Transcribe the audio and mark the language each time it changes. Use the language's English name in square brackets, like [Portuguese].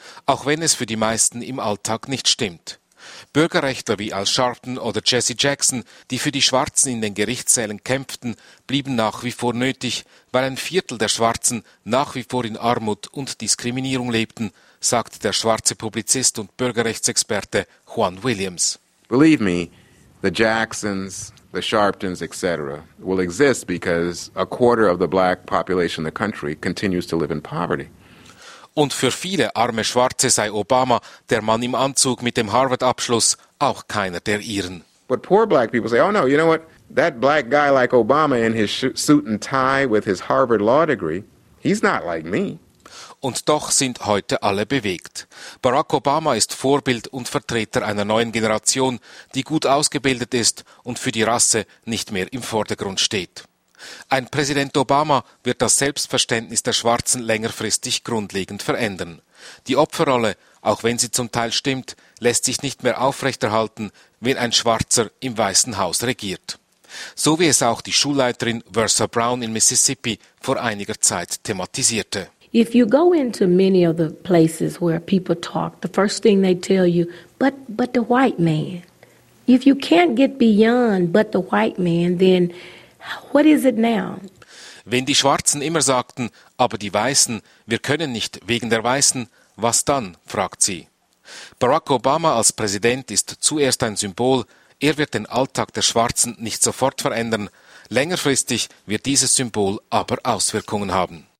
[German] Auch wenn es für die meisten im Alltag nicht stimmt. Bürgerrechtler wie Al Sharpton oder Jesse Jackson, die für die Schwarzen in den Gerichtssälen kämpften, blieben nach wie vor nötig, weil ein Viertel der Schwarzen nach wie vor in Armut und Diskriminierung lebten, sagt der schwarze Publizist und Bürgerrechtsexperte Juan Williams. [English] Believe me, the Jacksons, the Sharptons, etc. will exist because a quarter of the black population in the country continues to live in poverty. [German] Und für viele arme Schwarze sei Obama, der Mann im Anzug mit dem Harvard-Abschluss, auch keiner der ihren. [English] But poor black people say, oh no, you know what? That black guy like Obama in his suit and tie with his Harvard law degree, he's not like me. [German] Und doch sind heute alle bewegt. Barack Obama ist Vorbild und Vertreter einer neuen Generation, die gut ausgebildet ist und für die Rasse nicht mehr im Vordergrund steht. Ein Präsident Obama wird das Selbstverständnis der Schwarzen längerfristig grundlegend verändern. Die Opferrolle, auch wenn sie zum Teil stimmt, lässt sich nicht mehr aufrechterhalten, wenn ein Schwarzer im Weißen Haus regiert. So wie es auch die Schulleiterin Versa Brown in Mississippi vor einiger Zeit thematisierte. [English] If you go into many of the places where people talk, the first thing they tell you, but the white man. If you can't get beyond but the white man, then what is it now? [German] Wenn die Schwarzen immer sagten, aber die Weißen, wir können nicht wegen der Weißen, was dann, fragt sie. Barack Obama als Präsident ist zuerst ein Symbol, er wird den Alltag der Schwarzen nicht sofort verändern, längerfristig wird dieses Symbol aber Auswirkungen haben.